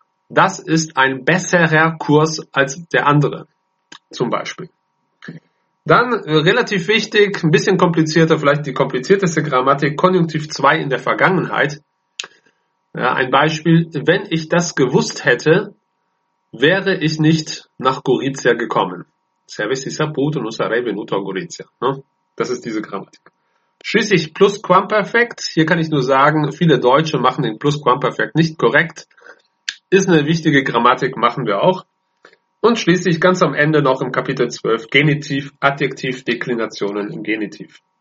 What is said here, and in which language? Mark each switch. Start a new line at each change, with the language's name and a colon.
German: Das ist ein besserer Kurs als der andere, zum Beispiel. Dann relativ wichtig, ein bisschen komplizierter, vielleicht die komplizierteste Grammatik, Konjunktiv 2 in der Vergangenheit. Ja, ein Beispiel, wenn ich das gewusst hätte, wäre ich nicht nach Gorizia gekommen.
Italian: Se avessi saputo, non sarei venuto a Gorizia.
German: Ne? Das ist diese Grammatik. Schließlich Plusquamperfekt. Hier kann ich nur sagen, viele Deutsche machen den Plusquamperfekt nicht korrekt. Ist eine wichtige Grammatik, machen wir auch. Und schließlich ganz am Ende noch im Kapitel 12 Genitiv, Adjektiv, Deklinationen im Genitiv.